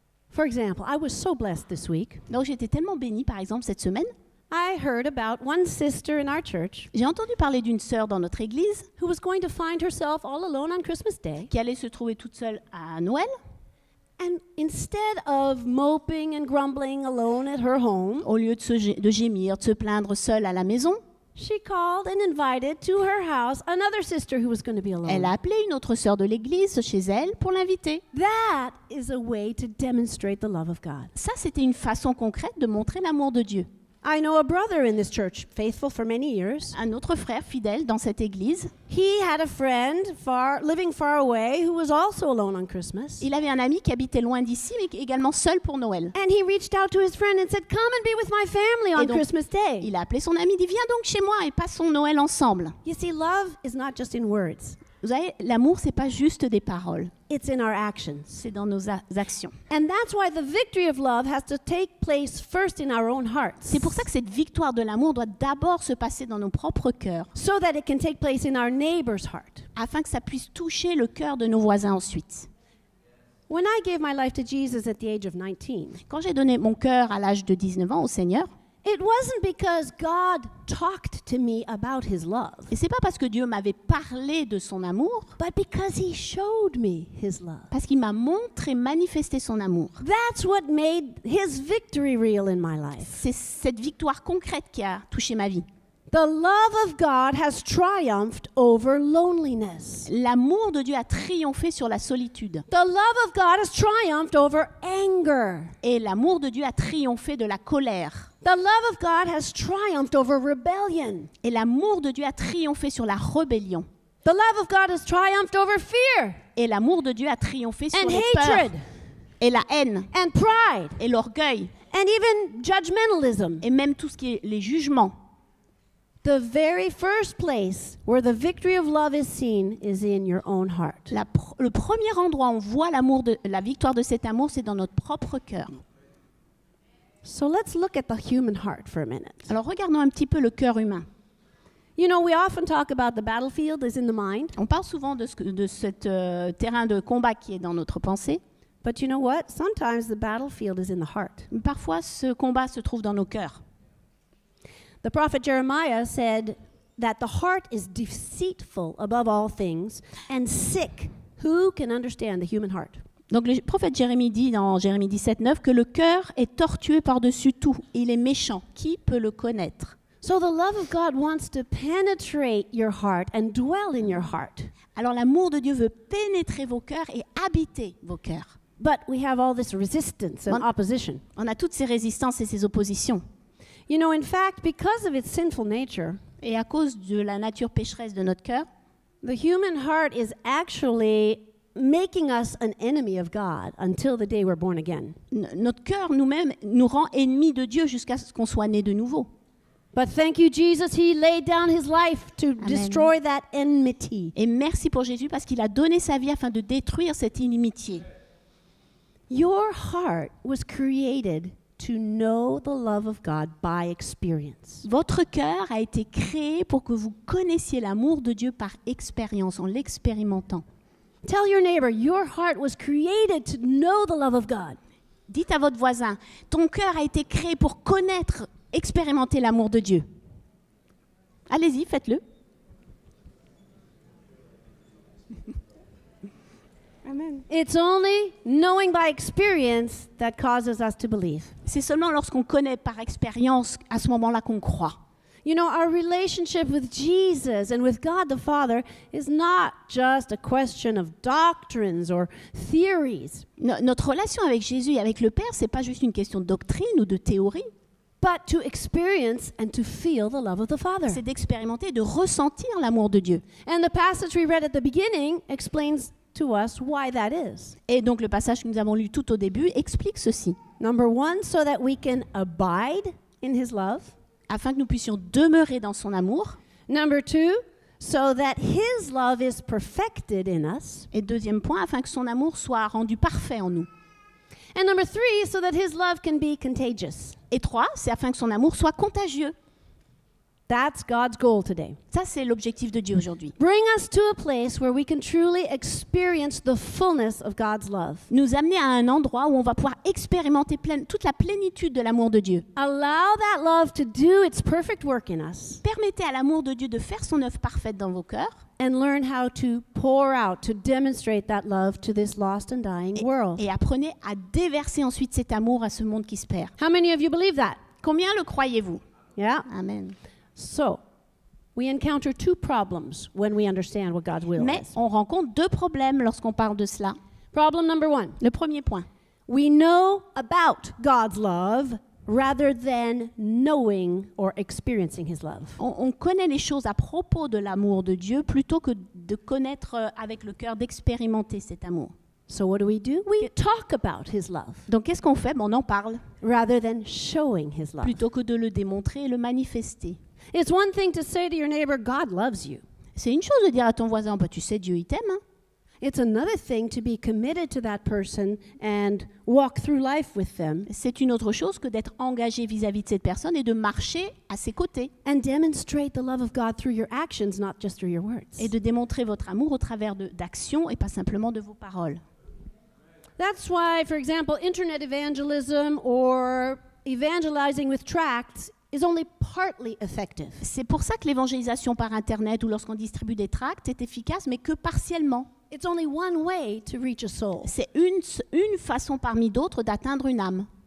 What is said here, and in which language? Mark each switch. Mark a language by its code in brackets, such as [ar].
[en] For example, I was so blessed this week. [fr] Donc j'étais tellement bénie par exemple cette semaine. [en] I heard about one sister in our church. [fr] J'ai entendu parler d'une sœur dans notre église [en] who was going to find herself all alone on Christmas Day. [fr] Qui allait se trouver toute seule à Noël. [en] And instead of moping and grumbling alone at her home, [fr] au lieu de gémir, de se plaindre seule à la maison, [en] she called and invited to her house another sister who was going to be alone. [fr] Elle a appelé une autre sœur de l'église chez elle pour l'inviter. [en] That is a way to demonstrate the love of God. [fr] Ça, c'était une façon concrète de montrer l'amour de Dieu. [en] I know a brother in this church, faithful for many years. [fr] Un autre frère fidèle dans cette église. [en] He had a friend living far away who was also alone on Christmas. [fr] Il avait un ami qui habitait loin d'ici mais également seul pour Noël. [en] And he reached out to his friend and said, "Come and be with my family on Christmas Day." [fr] Il a appelé son ami, dit, "Viens donc chez moi et passons Noël ensemble." [en] You see, love is not just in words. [fr] Vous savez, l'amour, c'est pas juste des paroles. [en] It's in our actions. [fr] C'est dans nos actions. [en] And that's why the victory of love has to take place first in our own hearts. [fr] C'est pour ça que cette victoire de l'amour doit d'abord se passer dans nos propres cœurs. [en] So that it can take place in our neighbor's heart. [fr] Afin que ça puisse toucher le cœur de nos voisins ensuite. [en] When I gave my life to Jesus at the age of 19. [fr] Quand j'ai donné mon cœur à l'âge de 19 ans au Seigneur. [en] It wasn't because God talked to me about his love. [fr] Et c'est pas parce que Dieu m'avait parlé de son amour. [en] But because he showed me his love. [fr] Parce qu'il m'a montré, manifesté son amour. [en] That's what made his victory real in my life. [fr] C'est cette victoire concrète qui a touché ma vie. [en] The love of God has triumphed over loneliness. [fr] L'amour de Dieu a triomphé sur la solitude. [en] The love of God has triumphed over anger. [fr] Et l'amour de Dieu a triomphé de la colère. [en] The love of God has triumphed over rebellion. [fr] Et l'amour de Dieu a triomphé sur la rébellion. [en] The love of God has triumphed over fear. [fr] Et l'amour de Dieu a triomphé sur [en] and [fr] les [en] hatred. [fr] Peurs. Et la haine. [en] And pride. [fr] Et l'orgueil. [en] And even judgmentalism. [fr] Et même tout ce qui est les jugements. [en] The very first place where the victory of love is seen is in your own heart. [fr] Le premier endroit où on voit l'amour de la victoire de cet amour, c'est dans notre propre cœur. [en] So let's look at the human heart for a minute. [fr] Alors regardons un petit peu le cœur humain. [en] You know, we often talk about the battlefield is in the mind. [fr] On parle souvent de ce terrain de combat qui est dans notre pensée. [en] But you know what? Sometimes the battlefield is in the heart. [fr] Mais parfois ce combat se trouve dans nos cœurs. [en] The prophet Jeremiah said that the heart is deceitful above all things and sick. Who can understand the human heart? [fr] Donc le prophète Jérémie dit dans Jérémie 17:9 que le cœur est tortueux par-dessus tout, il est méchant, qui peut le connaître? [en] So the love of God wants to penetrate your heart and dwell in your heart. [fr] Alors l'amour de Dieu veut pénétrer vos cœurs et habiter vos cœurs. [en] But we have all this resistance and opposition. [fr] On a toutes ces résistances et ces oppositions. [en] You know, in fact, because of its sinful nature, [fr] et à cause de la nature pécheresse de notre cœur, [en] the human heart is actually making us an enemy of God until the day we're born again. [fr] Notre cœur nous-mêmes nous rend ennemis de Dieu jusqu'à ce qu'on soit né de nouveau. [en] But thank you, Jesus, he laid down his life to Amen. Destroy that enmity. [fr] Et merci pour Jésus parce qu'il a donné sa vie afin de détruire cette inimitié. [en] Your heart was created to know the love of God by experience. [fr] Votre cœur a été créé pour que vous connaissiez l'amour de Dieu par expérience, en l'expérimentant. [en] Tell your neighbor, your heart was created to know the love of God. [fr] Dites à votre voisin, ton cœur a été créé pour connaître, expérimenter l'amour de Dieu. Allez-y, faites-le. Amen. [en] It's only knowing by experience that causes us to believe. [fr] C'est seulement lorsqu'on connaît par expérience à ce moment-là qu'on croit. [en] You know, our relationship with Jesus and with God the Father is not just a question of doctrines or theories. [fr] Notre relation avec Jésus et avec le Père, c'est pas juste une question de doctrine ou de théorie. [en] But to experience and to feel the love of the Father. [fr] C'est d'expérimenter, de ressentir l'amour de Dieu. [en] And the passage we read at the beginning explains to us why that is. [fr] Et donc le passage que nous avons lu tout au début explique ceci. [en] Number one, so that we can abide in his love. [fr] Afin que nous puissions demeurer dans son amour. [en] Number two, so that his love is perfected in us. [fr] Et deuxième point, afin que son amour soit rendu parfait en nous. [en] And number three, so that his love can be contagious. [fr] Et trois, c'est afin que son amour soit contagieux. [en] That's God's goal today. [fr] Ça, c'est l'objectif de Dieu aujourd'hui. [en] Bring us to a place where we can truly experience the fullness of God's love. [fr] Nous amener à un endroit où on va pouvoir expérimenter toute la plénitude de l'amour de Dieu. [en] Allow that love to do its perfect work in us. [fr] Permettez à l'amour de Dieu de faire son œuvre parfaite dans vos cœurs. [en] And learn how to pour out, to demonstrate that love to this lost and dying world. [fr] Et apprenez à déverser ensuite cet amour à ce monde qui se perd. [en] How many of you believe that? [fr] Combien le croyez-vous? [en] Yeah. Amen. So, we encounter two problems when we understand what God's will [fr] Mais [en] is. [fr] Mais on rencontre deux problèmes lorsqu'on parle de cela. [en] Problem number one. [fr] Le premier point. [en] We know about God's love rather than knowing or experiencing his love. [fr] On connaît les choses à propos de l'amour de Dieu plutôt que de connaître avec le cœur, d'expérimenter cet amour. [en] So what do? We talk about his love. [fr] Donc qu'est-ce qu'on fait? Bon, on en parle. [en] Rather than showing his love. [fr] Plutôt que de le démontrer et le manifester. [en] It's one thing to say to your neighbor, God loves you. [fr] C'est une chose de dire à ton voisin, bah, tu sais, Dieu, il t'aime. Hein? [en] It's another thing to be committed to that person and walk through life with them. [fr] C'est une autre chose que d'être engagé vis-à-vis de cette personne et de marcher à ses côtés. [en] And demonstrate the love of God through your actions, not just through your words. [fr] Et de démontrer votre amour au travers d'actions et pas simplement de vos paroles. [en] That's why, for example, internet evangelism or evangelizing with tracts is only partly effective. [fr] C'est pour ça que l'évangélisation par internet ou lorsqu'on distribue des tracts est efficace mais que partiellement. [en] It's only one way to reach a soul. [fr] C'est une façon parmi d'autres d'atteindre une âme.